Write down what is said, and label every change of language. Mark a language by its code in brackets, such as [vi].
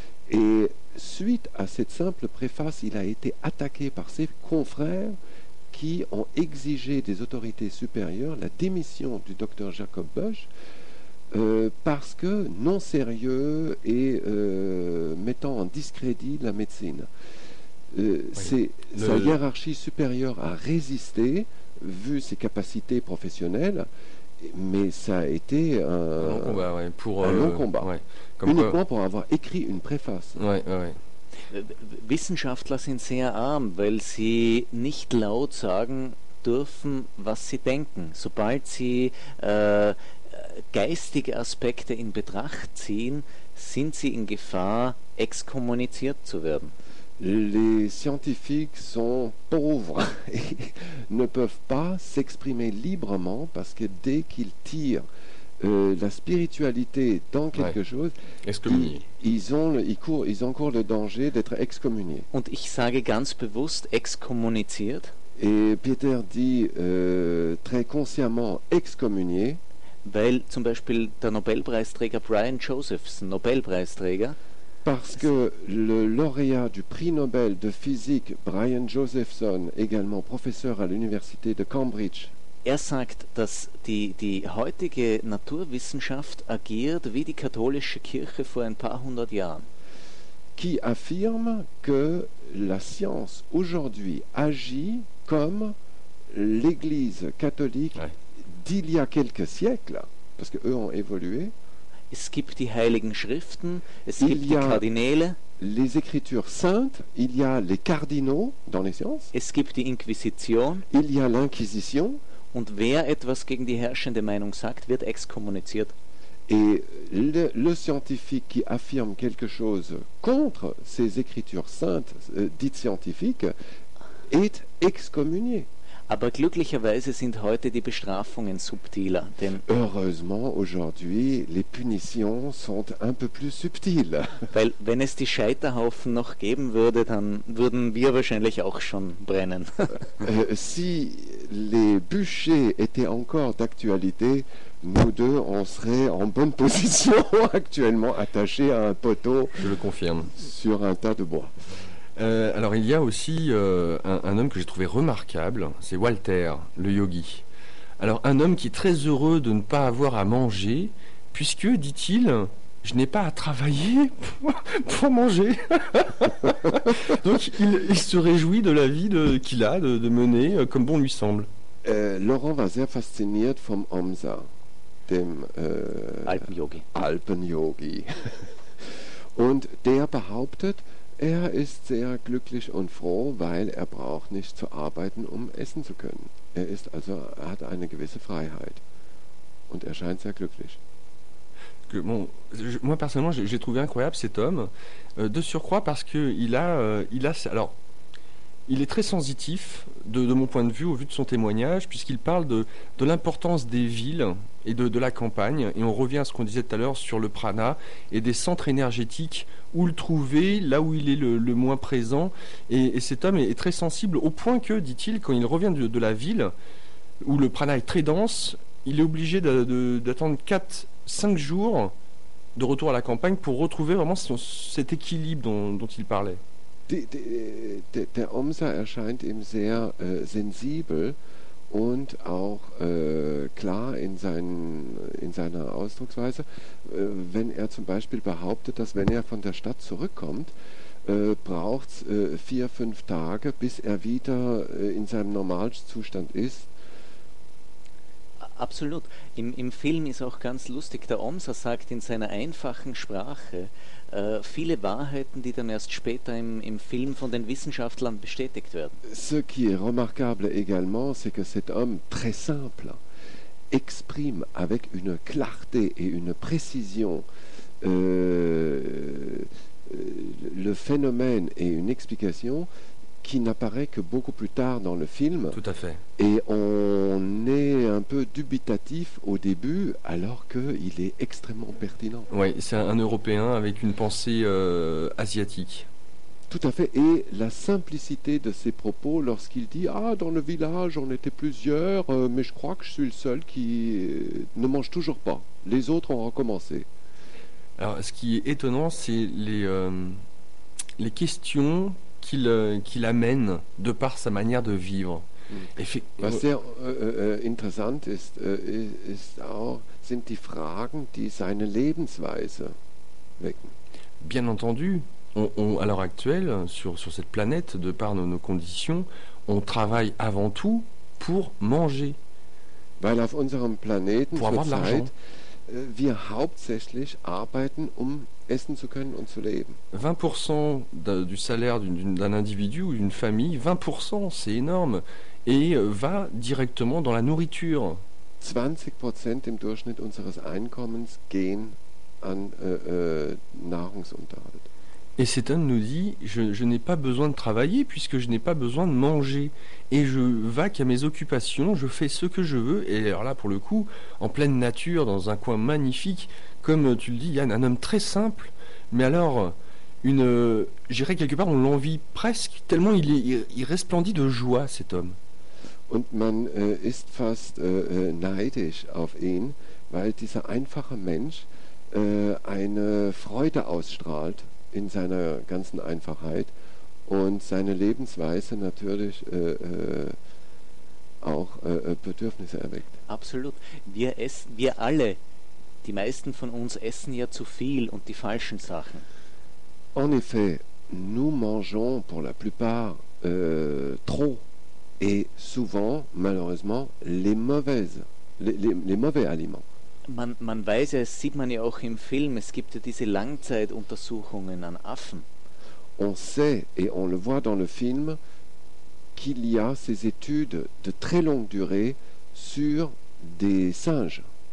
[fr] Et suite à cette simple préface, il a été attaqué par ses confrères qui ont exigé des autorités supérieures la démission du docteur Jacob Bösch parce que non sérieux et mettant en discrédit la médecine. Oui. Sa hiérarchie supérieure a résisté, vu ses capacités professionnelles, mais ça a été un long combat. Ouais. Uniquement pour avoir écrit une préface. Ouais, ouais, ouais. [de] Wissenschaftler sind sehr arm, weil sie nicht laut sagen dürfen, was sie denken. Sobald sie geistige Aspekte in Betracht ziehen, sind sie in Gefahr, exkommuniziert zu werden. [fr] Les scientifiques sont pauvres et ne peuvent pas s'exprimer librement parce que dès qu'ils tirent la spiritualité dans quelque ouais. chose, ils encourent le danger d'être excommuniés. [de] Und ich sage ganz bewusst exkommuniziert. [fr] Et Peter dit très consciemment excommunié. [de] Weil zum Beispiel der Nobelpreisträger Brian Josephs, Nobelpreisträger. [fr] Parce que le lauréat du prix Nobel de physique Brian Josephson, également professeur à l'université de Cambridge [de] er sagt, dass die heutige Naturwissenschaft agiert wie die katholische Kirche vor ein paar hundert Jahren. [fr] Qui affirme que la science aujourd'hui agit comme l'Église catholique d'il y a quelques siècles, parce que eux ont évolué. [de] Es gibt die heiligen Schriften, es gibt die Kardinäle. [fr] Les écritures saintes, il y a les cardinaux dans les sciences. [de] Es gibt die Inquisition. [fr] Il y a l'Inquisition. [de] Und wer etwas gegen die herrschende Meinung sagt, wird exkommuniziert. [fr] Et le scientifique qui affirme quelque chose contre ces écritures saintes, dites scientifiques, est excommunié. [de] Aber glücklicherweise sind heute die Bestrafungen subtiler, denn [fr] heureusement aujourd'hui les punitions sont un peu plus subtiles. Weil wenn es die Scheiterhaufen noch geben würde, dann würden wir wahrscheinlich auch schon brennen. Si les bûchers étaient encore d'actualité, nous deux on serait en bonne position actuellement attachés à un poteau. Je le confirme. Sur un tas de bois. Alors il y a aussi un homme que j'ai trouvé remarquable, c'est Walter, le yogi. Alors un homme qui est très heureux de ne pas avoir à manger, puisque, dit-il, je n'ai pas à travailler pour manger. Donc il se réjouit de la vie qu'il a, de mener comme bon lui semble. [de] Laurent war sehr fasziniert vom Omsa, dem Alpenyogi. Und der behauptet, er ist sehr glücklich und froh, weil er braucht nicht zu arbeiten, um essen zu können. Er ist also, er hat eine gewisse Freiheit und er scheint sehr glücklich. [fr] Bon, moi personnellement, j'ai trouvé incroyable cet homme, de surcroît parce que il est très sensitif de mon point de vue, au vu de son témoignage, puisqu'il parle de l'importance des villes et de la campagne. Et on revient à ce qu'on disait tout à l'heure sur le prana et des centres énergétiques, où le trouver, là où il est le moins présent. Et cet homme est très sensible, au point que, dit-il, quand il revient de la ville, où le prana est très dense, il est obligé d'attendre 4-5 jours de retour à la campagne pour retrouver vraiment cet équilibre dont il parlait. [de] Der Omsa erscheint ihm sehr sensibel und auch klar in seiner Ausdrucksweise, wenn er zum Beispiel behauptet, dass wenn er von der Stadt zurückkommt, braucht es 4-5 Tage, bis er wieder in seinem Normalzustand ist. Absolut. Im Film ist auch ganz lustig, der Omsa sagt in seiner einfachen Sprache viele Wahrheiten, die dann erst später im Film von den Wissenschaftlern bestätigt werden. [fr] Ce qui est remarquable également, c'est que cet homme très simple exprime avec une clarté et une précision le phénomène et une explication qui n'apparaît que beaucoup plus tard dans le film. Tout à fait. Et on est un peu dubitatif au début, alors qu'il est extrêmement pertinent. Oui, c'est un Européen avec une pensée asiatique. Tout à fait. Et la simplicité de ses propos lorsqu'il dit « Ah, dans le village, on était plusieurs, mais je crois que je suis le seul qui ne mange toujours pas. Les autres ont recommencé. » Alors, ce qui est étonnant, c'est les questions qu'il amène de par sa manière de vivre. [de] Was sehr interessant ist, ist auch, sind die Fragen, die seine Lebensweise wecken. [fr] Bien entendu, on, à l'heure actuelle, sur cette planète, de par nos conditions, on travaille avant tout pour manger. [de] Weil auf unserem Planeten [fr] pour avoir de l'argent. [de] Wir hauptsächlich arbeiten, um essen zu können und zu leben. [fr] 20% du salaire d'un individu ou d'une famille, 20%, c'est énorme, et va directement dans la nourriture. [de] 20% im Durchschnitt unseres Einkommens gehen an Nahrungsunterhalt. [fr] Et cet homme nous dit, je n'ai pas besoin de travailler puisque je n'ai pas besoin de manger. Et je vaque à mes occupations, je fais ce que je veux. Et alors là, pour le coup, en pleine nature, dans un coin magnifique, comme tu le dis, Yann, un homme très simple, mais alors, j'irais quelque part, on l'envie presque, tellement il resplendit de joie, cet homme. [de] Und man ist fast neidisch auf ihn, weil dieser einfache Mensch eine Freude ausstrahlt in seiner ganzen Einfachheit und seine Lebensweise natürlich auch Bedürfnisse erweckt. Absolut. Wir essen, wir alle, die meisten von uns essen ja zu viel und die falschen Sachen. [fr] En effet, nous mangeons pour la plupart trop et souvent, malheureusement, les mauvaises, les mauvais aliments. [de] Man weiß ja, sieht man ja auch im Film, es gibt ja diese Langzeituntersuchungen an Affen. [fr] On sait et on le voit dans le film qu'il y a ces études de très longue durée sur des singes.